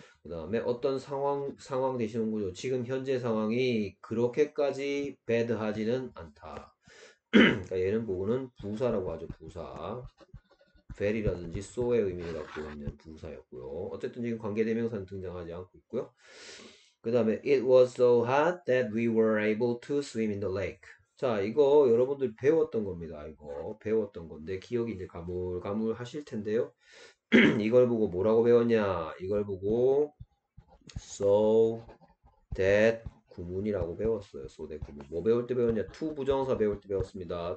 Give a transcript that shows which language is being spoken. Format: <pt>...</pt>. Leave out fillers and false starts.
<ko>그 다음에 어떤 상황 되시는 거죠. 지금 현재 상황이 그렇게까지 배드하지는 않다. 그러니까 얘는 보고는 부사라고 하죠. 부사 very라든지 so의 의미를 갖고 있는 부사였고요. 어쨌든 지금 관계대명사는 등장하지 않고 있고요. 그 다음에</ko> <en>it was so hot that we were able to swim in the lake.</en> <ko>자, 이거 여러분들 배웠던 겁니다. 이거 배웠던 건데 기억이 이제 가물가물 하실 텐데요. 이걸 보고 뭐라고 배웠냐? 이걸 보고 so that 구문이라고 배웠어요. so that 구문. 뭐 배울 때 배웠냐? to 부정사 배울 때 배웠습니다.</ko>